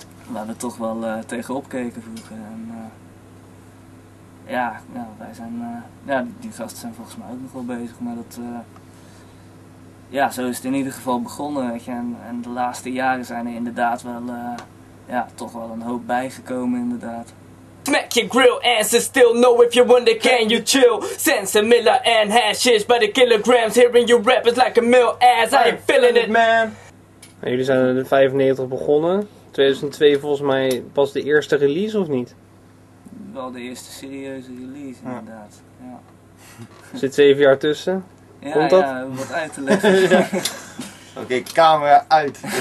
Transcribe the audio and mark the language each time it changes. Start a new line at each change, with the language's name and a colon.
Dutch: Waar we toch wel tegenop keken vroeger. Ja, ja, wij zijn, ja, die gasten zijn volgens mij ook nog wel bezig, maar dat, ja, zo is het in ieder geval begonnen, weet je, en de laatste jaren zijn er inderdaad wel, ja, toch wel een hoop bijgekomen, inderdaad.
English: Smack your grill and sit still, know if you wonder can you chill. Sense a Miller and hashish by the kilograms, hearing you rap is like a mill ass, I ain't feeling it, man.
Dutch: Nou, jullie zijn in 95 begonnen, 2002 volgens mij pas de eerste release, of niet? Wel de eerste serieuze release, ja. Inderdaad. Ja. Zit 7 jaar tussen? Ja, komt dat? Ja, wat uit te leggen. Oké, camera uit.